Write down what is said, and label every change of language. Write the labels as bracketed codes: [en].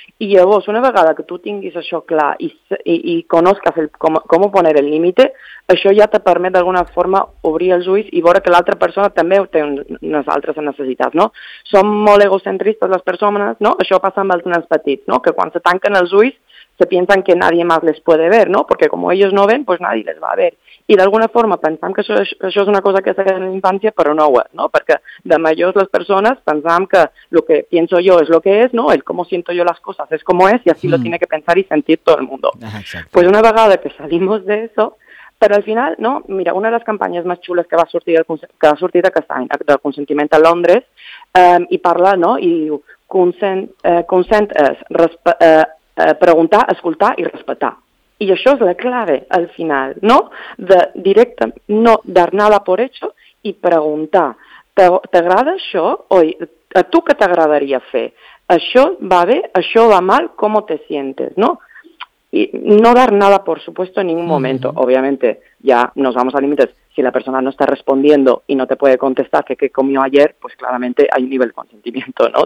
[ca] I llavors, una vegada que tu tinguis això clar i [es] conozcas com poner el límite, [ca] això ja te permet d'alguna forma obrir els ulls i veure que l'altra persona també té unes altres necessitats, no? Som molt egocentristes les persones, no? Això passa amb els nens petits, no? Que quan se tanquen els ulls [es] se piensan que nadie más les puede ver, no? Porque como ellos no ven, pues nadie les va a ver. [ca] I d'alguna forma pensam que això és una cosa que s'ha de la infància, però no ho és, no? Perquè de majors les persones pensam que [es] lo que pienso yo es lo que es, no? El cómo siento yo las cosas es como es y así lo tiene que pensar y sentir todo el mundo. Exacto. Pues [ca] una vegada [es] que salimos de eso, però al final, no? [ca] Mira, una de les campanyes més xules que va sortir aquest any del consentiment a Londres i parla, no? I diu consent és preguntar, escoltar i respetar. I això és la clave al final, no? De directe, [es] no dar nada por hecho [ca] i preguntar, t'agrada això? Oi, a tu què t'agradaria fer? Això va bé? Això va mal? Com [es] te sientes, [ca] no? [es] Y no dar nada, por supuesto, en ningún momento. Obviamente, ya nos vamos a límites. Si la persona no está respondiendo y no te puede contestar que qué comió ayer, pues claramente hay un nivel de consentimiento, ¿no?